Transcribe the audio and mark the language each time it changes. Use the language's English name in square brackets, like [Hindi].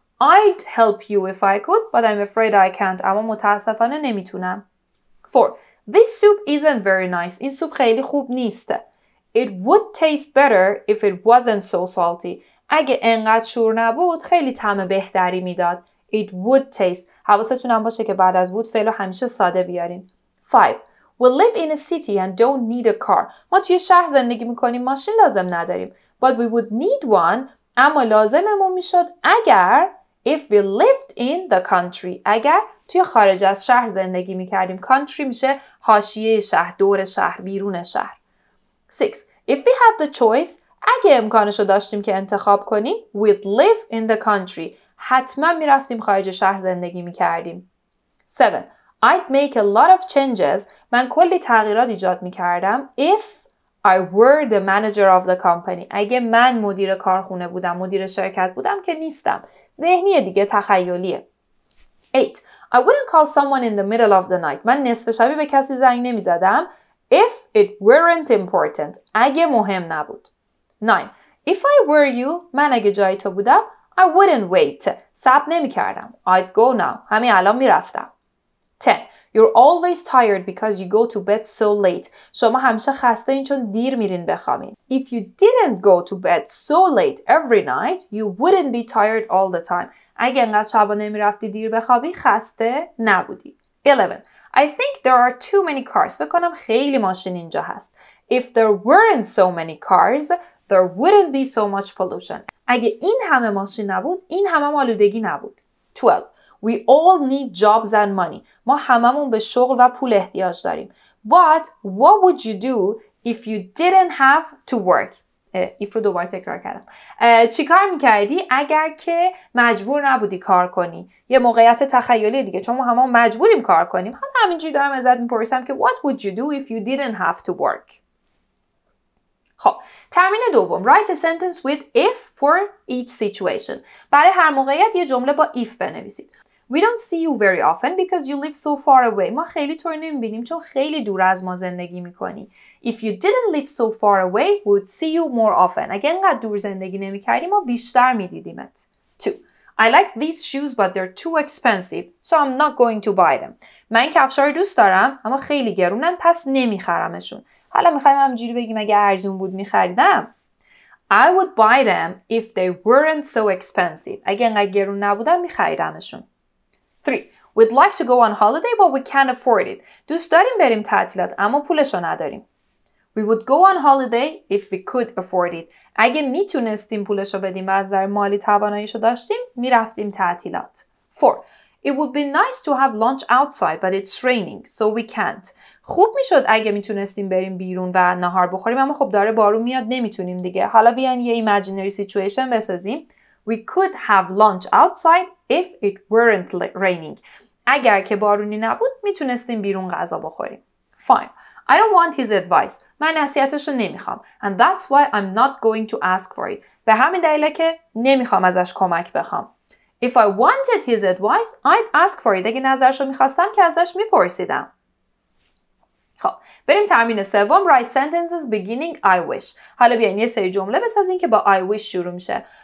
[English] I'd help you if I could, but I'm afraid I can't. [Persian] اما متاسفانه نمیتونم. [English] 4. This soup isn't very nice. [Persian] این سوپ خیلی خوب نیست. [English] It would taste better if it wasn't so salty. [Persian] اگه انقدر شور نبود خیلی طعم بهتری میداد. [English] It would taste. [Persian] حواستونم باشه که بعد از would فعل رو همیشه ساده بیارین. [English] 5. We live in a city and don't need a car. [Persian] ما توی شهر زندگی میکنیم ماشین لازم نداریم. [English] But we would need one. [Persian] اما لازممون میشد اگر [English] if we lived in the country. [Persian] اگر توی خارج از شهر زندگی میکردیم. Country میشه حاشیه شهر، دور شهر، بیرون شهر. 6. [English] If we had the choice. [Persian] اگه امکانشو داشتیم که انتخاب کنیم. [English] We'd live in the country. [Persian] حتما میرفتیم خارج شهر زندگی میکردیم. [English] 7. I'd make a lot of changes. [Persian] من کلی تغییرات ایجاد میکردم. [English] If I were the manager of the company. [Persian] اگه من مدیر کارخونه بودم، مدیر شرکت بودم که نیستم. ذهنیه دیگه، تخیلیه. 8. [English] I wouldn't call someone in the middle of the night. [Persian] من نصف شبی به کسی زنگ نمیزدم. [English] If it weren't important. [Persian] اگه مهم نبود. [English] 9. If I were you. [Persian] من اگه جای تو بودم. [English] I wouldn't wait. [Persian] صبر نمیکردم. [English] I'd go now. [Persian] همین الان میرفتم. 10. [English] You're always tired because you go to bed so late. [Persian] شما همیشه خسته این چون دیر میرین بخوابین. [English] If you didn't go to bed so late every night, you wouldn't be tired all the time. [Persian] اگه انقدر شبا نمیرفتی دیر بخوابی خسته نبودی. [English] 11. I think there are too many cars. [Persian] بکنم خیلی ماشین اینجا هست. [English] If there weren't so many cars, there wouldn't be so much pollution. [Persian] اگه این همه ماشین نبود، این همه آلودگی نبود. [English] 12. We all need jobs and money. [Persian] ما هممون به شغل و پول احتیاج داریم. [English] But what would you do if you didn't have to work? [Persian] If رو دوباره تکرار کردم. چی کار میکردی اگر که مجبور نبودی کار کنی؟ یه موقعیت تخیلی دیگه چون ما هممون مجبوریم کار کنیم. حالا همینجوری دارم ازت میپرسم که [English] what would you do if you didn't have to work? [Persian] خب تمرین دوم. [English] Write a sentence with if for each situation. [Persian] برای هر موقعیت یه جمله با if بنویسید. [English] We don't see you very often because you live so far away. [Persian] ما خیلی تو رو نمی‌بینیم چون خیلی دور از ما زندگی می‌کنی. [English] If you didn't live so far away, we'd see you more often. [Persian] اگه انقدر دور زندگی نمی‌کردی ما بیشتر می‌دیدیمت. 2. [English] I like these shoes but they're too expensive, so I'm not going to buy them. [Persian] من کفش‌ها رو دوست دارم اما خیلی گرونن پس نمی‌خرمشون. حالا می‌خوام همینجوری بگیم اگه ارزون بود می‌خریدم. [English] I would buy them if they weren't so expensive. [Persian] اگه انقدر گرون نبودن می‌خریدمشون. [English] 3. We'd like to go on holiday but we can't afford it. [Persian] دوست داریم بریم تعطیلات اما پولشو نداریم. [English] We would go on holiday if we could afford it. [Persian] اگه میتونستیم پولشو بدیم و از نظر مالی تواناییشو داشتیم میرفتیم تعطیلات. 4. [English] It would be nice to have lunch outside but it's raining so we can't. [Persian] خوب میشد اگه میتونستیم بریم بیرون و نهار بخوریم اما خب داره بارون میاد نمیتونیم دیگه. حالا بیان یه imaginary situation بسازیم. [English] We could have lunch outside if it weren't raining. [Persian] اگر که بارونی نبود میتونستیم بیرون غذا بخوریم. [English] 5. I don't want his advice. [Persian] من نصیحتشو نمیخوام. [English] And that's why I'm not going to ask for it. [Persian] به همین دلیل که نمیخوام ازش کمک بخوام. [English] If I wanted his advice, I'd ask for it. [Persian] اگه نظرشو میخواستم که ازش میپرسیدم. خب بریم تمرین سوم. [English] Write sentences beginning I wish. [Persian] حالا بیاین یه سری جمله بسازین که با I wish شروع میشه.